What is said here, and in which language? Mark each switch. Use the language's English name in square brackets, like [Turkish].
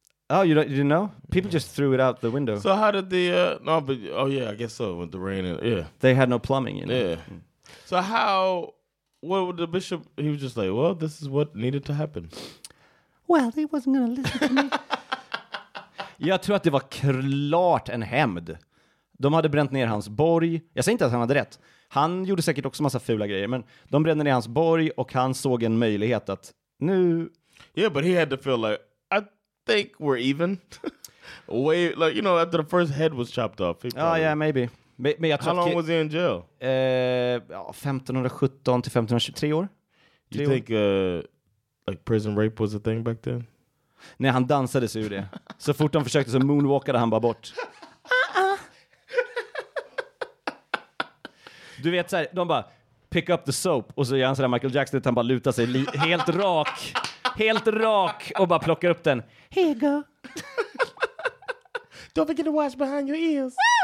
[English] Oh, you didn't know? People just threw it out the window. So how did the... I guess so. With the rain and... Yeah. They had no plumbing, you know? Yeah. So how... What would the bishop... He was just like, well, this is what needed to happen. Well, he wasn't gonna listen to me. [Swedish] Jag tror att det var klart en hämnd. De hade bränt ner hans borg. Jag säger inte att han hade rätt. Han gjorde säkert också massa fula grejer. Men de brände ner hans borg och han såg en möjlighet att nu... [English] Yeah, but he had to feel like, I think we're even. Way, like, you know, after the first head was chopped off. [Swedish] Ja, [English] probably... yeah, maybe. [Swedish] Men jag tror [English] how long was he in jail? [Swedish] 1517 till 1523 år. [English] You think like prison rape was a thing back then? [Swedish] Nej, han dansade sig ur det. Så fort de försökte så moonwalkade han bara bort. Du vet så här, de bara [English] pick up the soap. [Swedish] Och så gör han så där Michael Jackson, han bara lutar sig helt rak. Helt rak. Och bara plockar upp den. [English] Here you go. Don't forget to wash behind your ears.